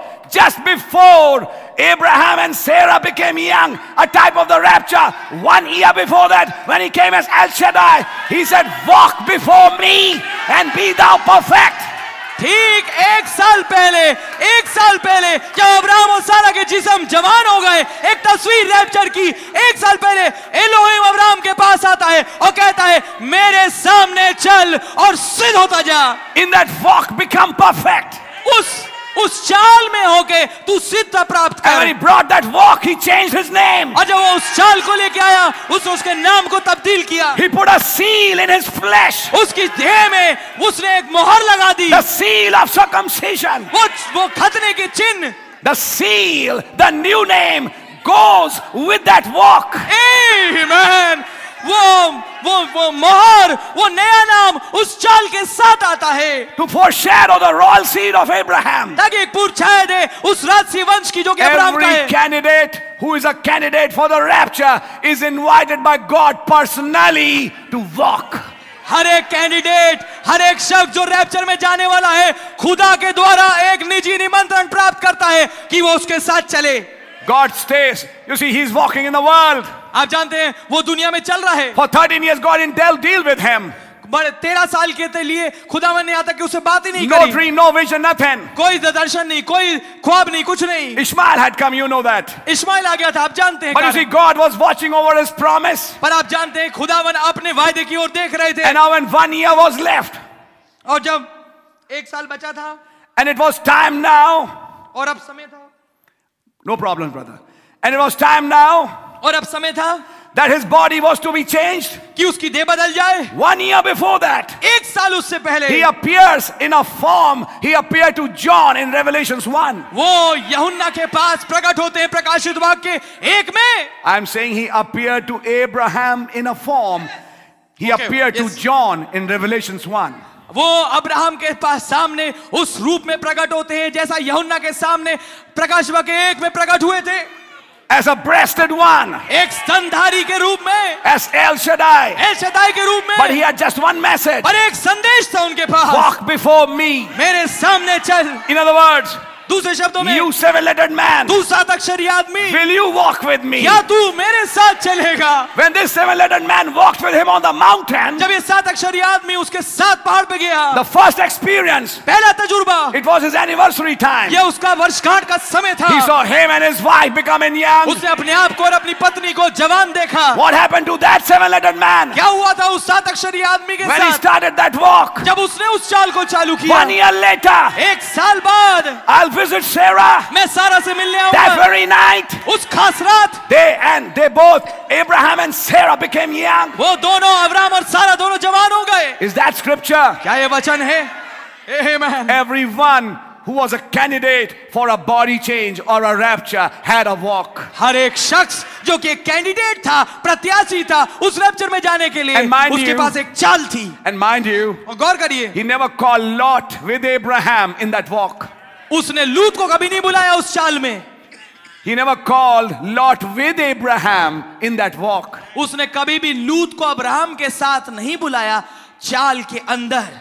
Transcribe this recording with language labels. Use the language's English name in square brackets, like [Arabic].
[English] Just before Abraham and Sarah became young, a type of the rapture. 1 year before that, when he came as El Shaddai, he said, walk before me and be thou perfect. [Hindi] ठीक एक साल पहले जब Abraham और सारा के जिस्म जवान हो गए एक तस्वीर रैप्चर की. एक साल पहले एलोहिम अब्राहम के पास आता है और कहता है मेरे सामने चल और सिद्ध होता जा. [English] In that walk become perfect. [Hindi] उस चाल में होके तू सिद्ध प्राप्त कर. [English] And when he brought that walk, he changed his name. [Hindi] और जब वो उस चाल को लेके आया उसके नाम को तब्दील किया. [English] He put a seal in his flesh. [Hindi] उसकी देह में उसने एक मोहर लगा दी. [English] The seal of circumcision. [Hindi] वो खतने के चिन्ह. [English] The seal, the new name goes with that walk. Amen. [Hindi] वो मोहर वो नया नाम उस चाल के साथ आता है. [English] To foreshadow the royal seed of Abraham. [Hindi] ताकि एक पुरछाया दे उस राजसी वंश की जो कि अब्राहम का है. [English] Every candidate who is a candidate for the rapture is invited by God personally to walk. [Hindi] हर एक कैंडिडेट हर एक शख्स जो रैप्चर में जाने वाला है खुदा के द्वारा एक निजी निमंत्रण प्राप्त करता है कि वो उसके साथ चले. [English] God stays. You see, he's walking in the world. [Hindi] आप जानते हैं वो दुनिया में चल रहा है. [English] For 13 years God didn't deal with him. [Hindi] 13 साल के लिए खुदा ने आता कि उसे बात ही नहीं [English] no [Hindi] करी. [English] No dream, no vision, nothing. [Hindi] कोई दर्शन नहीं, कोई ख्वाब नहीं, कुछ नहीं. [English] Ishmael had come, you know that. [Hindi] Ishmael आ गया था, आप जानते हैं. [English] But you see, God was watching over His promise. [Hindi] पर आप जानते हैं खुदा अपने वायदे की ओर देख रहे थे. [English] And now when 1 year was left. [Hindi] और जब एक साल बचा था. [English] And it was time now. [Hindi] और अब समय था. [English] No problem, brother. And it was time now. [Hindi] और अब समय था [English] that his body was to be changed. [Hindi] कि उसकी देह बदल जाए. [English] 1 year before that. [Hindi] एक साल उससे पहले. [English] He appears in a form. He appeared to John in Revelations 1. [Hindi] वो यहुन्ना के पास प्रकट होते हैं प्रकाशित वाक्य एक में. [English] I am saying he appeared to Abraham in a form. He okay, appeared yes. to John in Revelations 1. [Hindi] वो अब्राहम के पास सामने उस रूप में प्रकट होते हैं जैसा यहुन्ना के सामने प्रकाशित वाक्य एक में प्रकट हुए थे. [English] As a breasted one. [Hindi] Ek standhari ke roop mein. [English] As El Shaddai. [Hindi] El Shaddai ke roop mein. [English] But he had just one message. [Hindi] Par ek sandesh tha unke paas. [English] Walk before me. [Hindi] Mere samne chal. [English] In other words. [Hindi] दूसरे शब्दों में, [English] you seven-lettered man, [Hindi] तू सात अक्षरी आदमी, [English] will you walk with me? [Hindi] या तू मेरे साथ चलेगा? [English] When this seven-lettered man walked with him on the mountain, [Hindi] जब ये सात अक्षरी आदमी उसके साथ पहाड़ पे गया, [English] the first experience, [Hindi] पहला तजुर्बा, [English] it was his anniversary time, [Hindi] ये उसका वर्षगांठ का समय था, [English] he saw him and his wife becoming young, [Hindi] उसने अपने आप को और अपनी पत्नी को जवान देखा, [English] what happened to that seven-lettered man? [Hindi] क्या हुआ था उस सात अक्षरी आदमी के साथ? [English] When he started that walk, [Hindi] जब उसने उस चाल को चालू किया, [English] one year later, [Hindi] एक साल बाद, [English] visit Sarah, [Hindi] मैं सारा से मिलने आऊंगा, [English] that very night, [Hindi] उस खास रात, [English] they both, Abraham and Sarah became young, [Hindi] वो दोनों अब्राहम और सारा दोनों जवान हो गए, [English] is that scripture, [Hindi] क्या ये वचन है, amen, [English] everyone who was a candidate for a body change or a rapture had a walk, [Hindi] हर एक शख्स जो कि कैंडिडेट था, प्रत्याशी था उस रैप्चर में जाने के लिए, उसके पास एक चाल थी, [English] and mind you, [Hindi] और गौर करिए, [English] he never called Lot with Abraham in that walk. [Hindi] उसने लूत को कभी नहीं बुलाया उस चाल में. [English] He never called Lot with Abraham in that walk. [Hindi] उसने कभी भी लूत को अब्राहम के साथ नहीं बुलाया चाल के अंदर.